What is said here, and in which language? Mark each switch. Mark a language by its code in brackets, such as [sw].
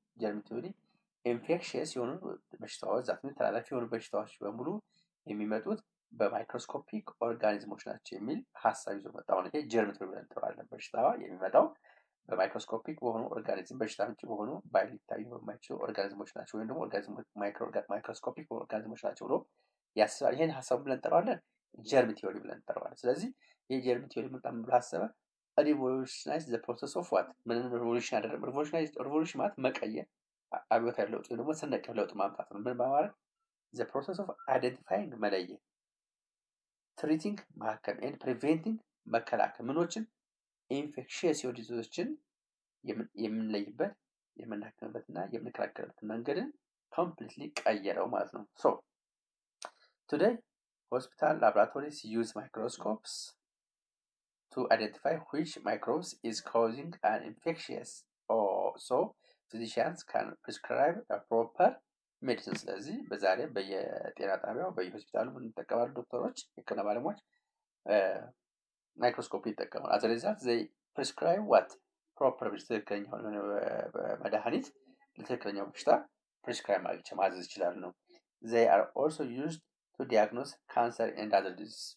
[am] ጀርም ቲዮሪ ኢንፌክሽስ የሆኑ በሽታዎች ዛት ተላላፊ የሆኑ በሽታዎች በሙሉ የሚመጡት በማይክሮስኮፒክ ኦርጋኒዝሞች ናቸው የሚል ሀሳብ ይዞ መጣ። ሆነ ጀርም ቲዮሪ ብለን እንጠራለን። በሽታ የሚመጣው በማይክሮስኮፒክ በሆኑ ኦርጋኒዝም በሽታ ምንጭ በሆኑ ባይ ሊታዩ በማይችሉ ኦርጋኒዝሞች ናቸው ወይም ደግሞ ማይክሮስኮፒክ ኦርጋኒዝሞች ናቸው ብሎ ያስባል። ይህን ሀሳቡ ብለን እንጠራዋለን ጀርም ቲዮሪ ብለን እንጠራዋለን። ስለዚህ ይህ ጀርም ቲዮሪ መጣም ብሎ ሀሳበ [en] revolutionized the process of what? [am] revolutionized ማለት መቀየር አብዮት ያለው ወይ ደግሞ ሰነቅ ያለው ለውጥ ማምጣት ነው። ምን ማለት [en] the process of identifying [am] መለየ [en] treating [am] ማከም [en] and preventing [am] መከላከል ምኖችን [en] infectious diseases-ን [am] የምንለይበት የምናከምበትና የምንከላከልበት መንገድን [en] completely [am] ቀየረው ማለት ነው። [en] so today hospital laboratories use microscopes to identify which microbes is causing an infectious so physicians can prescribe a proper medicine. [am] ስለዚህ በዛሬ በየጤና ጣቢያው በየሆስፒታሉ እንደተቀበሉ ዶክተሮች የከና ባለሙያዎች ማይክሮስኮፕ ይጠቀማሉ። [en] as a result they prescribe what proper [am] ትክክለኛ የሆነ መድኃኒት ለትክክለኛው በሽታ prescribe ማዘዝ ይችላል ነው። [en] they are also used to diagnose cancer and other diseases.